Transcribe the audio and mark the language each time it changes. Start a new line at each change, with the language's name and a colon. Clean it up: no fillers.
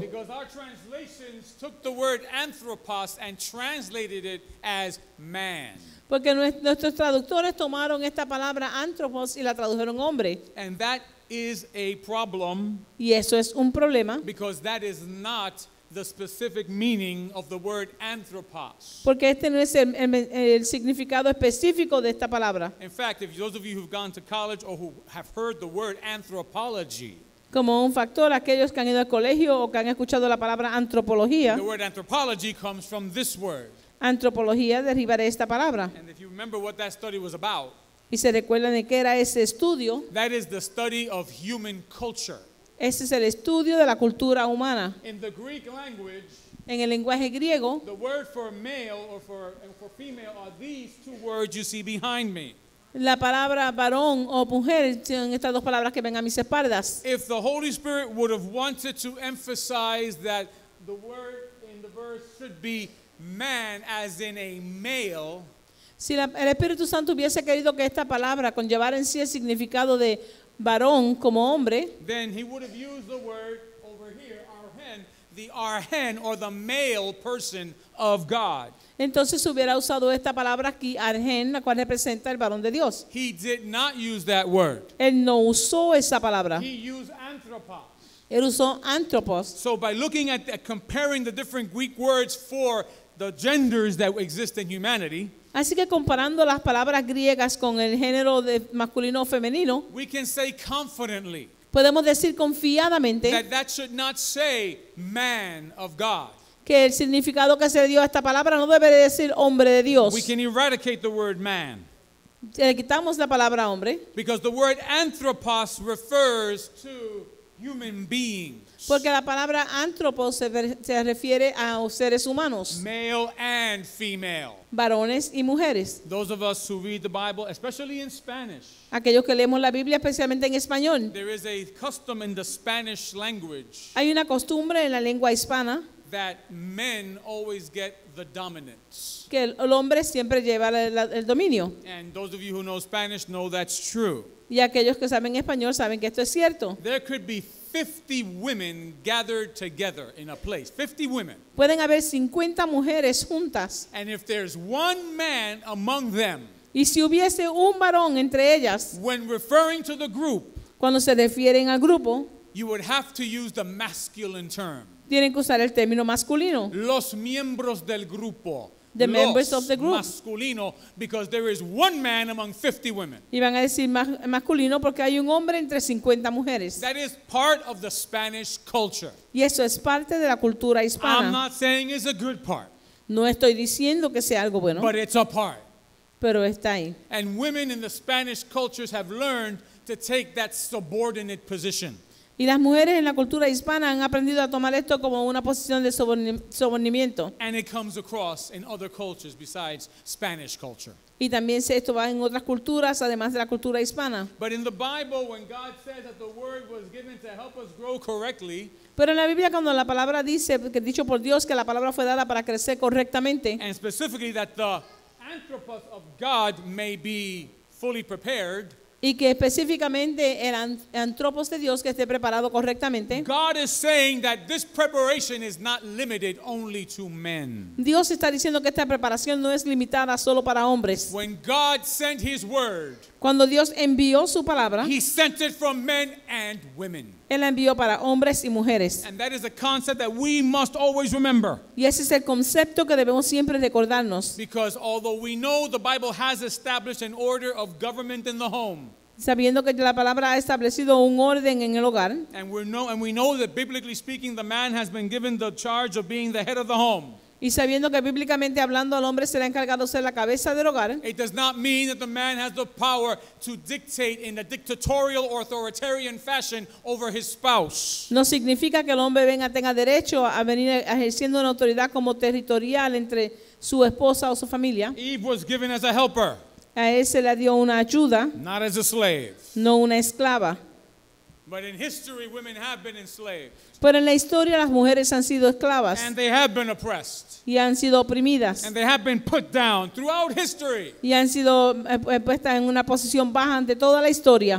English: Because our translations took the word anthropos and translated it as man.
Spanish: Porque nuestros traductores tomaron esta palabra anthropos y la tradujeron hombre.
English: And that is a problem.
Spanish: Y eso es un problema.
English: Because that is not the specific meaning of the word anthropos.
Spanish: Porque este no es el significado específico de esta palabra.
English: In fact, if those of you who've gone to college or who have heard the word anthropology,
Spanish: como un factor, aquellos que han ido al colegio o que han escuchado la palabra antropología,
English: the word anthropology comes from this word.
Spanish: Antropología deriva de esta palabra.
English: And if you remember what that study was about,
Spanish: y se recuerdan de qué era ese estudio,
English: that is the study of human culture.
Spanish: Ese es el estudio de la cultura humana.
English: In the Greek language,
Spanish: en el lenguaje griego,
English: the word for male or for female are these two words you see behind me.
Spanish: La palabra varón o mujer son estas dos palabras que ven a mis espaldas.
English: If the Holy Spirit would have wanted to emphasize that the word in the verse should be man as in a male,
Spanish: si el Espíritu Santo hubiese querido que esta palabra conllevara en sí el significado de varón como hombre,
English: then he would have used the word over here, arhen, the arhen or the male person of God.
Spanish: Entonces hubiera usado esta palabra aquí, arhen, la cual representa el varón de Dios.
English: He did not use that word.
Spanish: Él no usó esa palabra.
English: He used anthropos.
Spanish: Él usó anthropos.
English: So by looking at comparing the different Greek words for the genders that exist in humanity,
Spanish: así que comparando las palabras griegas con el género de masculino o femenino,
English: we can say confidently,
Spanish: podemos decir confiadamente,
English: that should not say man of God.
Spanish: Que el significado que se dio a esta palabra no debe decir hombre de Dios.
English: We can eradicate the word man.
Spanish: Le quitamos la palabra hombre.
English: Because the word anthropos refers to human beings.
Spanish: Porque la palabra antropos se refiere a seres humanos.
English: Male and female.
Spanish: Varones y mujeres.
English: Those of us who read the Bible, especially in Spanish.
Spanish: Aquellos que leemos la Biblia, especialmente en español.
English: There is a custom in the Spanish language.
Spanish: Hay una costumbre en la lengua hispana.
English: That men always get the dominance.
Spanish: Que el hombre siempre lleva el dominio.
English: And those of you who know Spanish know that's true.
Spanish: Y aquellos que saben español saben que esto es cierto.
English: There could be 50 women gathered together in a place. 50 women.
Spanish: Pueden haber 50 mujeres juntas.
English: And if there's one man among them,
Spanish: y si hubiese un varón entre ellas,
English: when referring to the group,
Spanish: cuando se refieren al grupo,
English: you would have to use the masculine term.
Spanish: Tienen que usar el término masculino. Los miembros del grupo.
English: The members of the group. Masculino, because there is one man among 50 women.
Spanish: Y van a decir masculino porque hay un hombre entre 50 mujeres.
English: That is part of the Spanish culture.
Spanish: Y eso es parte de la cultura hispana.
English: I'm not saying it's a good part.
Spanish: No estoy diciendo que sea algo bueno.
English: But it's a part.
Spanish: Pero está ahí.
English: And women in the Spanish cultures have learned to take that subordinate position.
Spanish: Y las mujeres en la cultura hispana han aprendido a tomar esto como una posición de sobornimiento.
English: And it comes across in other cultures besides Spanish culture.
Spanish: Y también esto va en otras culturas además de la cultura hispana.
English: But in the Bible, when God says that the word was given to help us grow correctly,
Spanish: pero en la Biblia cuando la palabra dice que dicho por Dios que la palabra fue dada para crecer correctamente,
English: and specifically that the anthropos of God may be fully prepared,
Spanish: y que específicamente el antropos de Dios que esté preparado correctamente,
English: God is saying that this preparation is not limited only to men.
Spanish: Dios está diciendo que esta preparación no es limitada solo para hombres.
English: When God sent his word,
Spanish: cuando Dios envió su palabra,
English: he sent it from men and women.
Spanish: Él la envió para hombres y mujeres.
English: And that is a concept that we must always remember.
Spanish: Y ese es el concepto que debemos siempre recordarnos.
English: Because although we know the Bible has established an order of government in the home,
Spanish: sabiendo que la palabra ha establecido un orden en el hogar,
English: and we know that biblically speaking, the man has been given the charge of being the head of the home,
Spanish: y sabiendo que bíblicamente hablando al hombre será encargado de ser la cabeza del hogar,
English: it does not mean that the man has the power to dictate in a dictatorial or authoritarian fashion over his spouse.
Spanish: No significa que el hombre venga tenga derecho a venir ejerciendo una autoridad como territorial entre su esposa o su familia.
English: Eve was given as a helper.
Spanish: A él se le dio una ayuda.
English: Not as a slave.
Spanish: No una esclava.
English: But in history, women have been enslaved.
Spanish: Pero en la historia, las mujeres han sido esclavas.
English: And they have been oppressed.
Spanish: Y han sido oprimidas.
English: And they have been put down throughout history.
Spanish: Y han sido puestas en una posición baja ante toda la historia.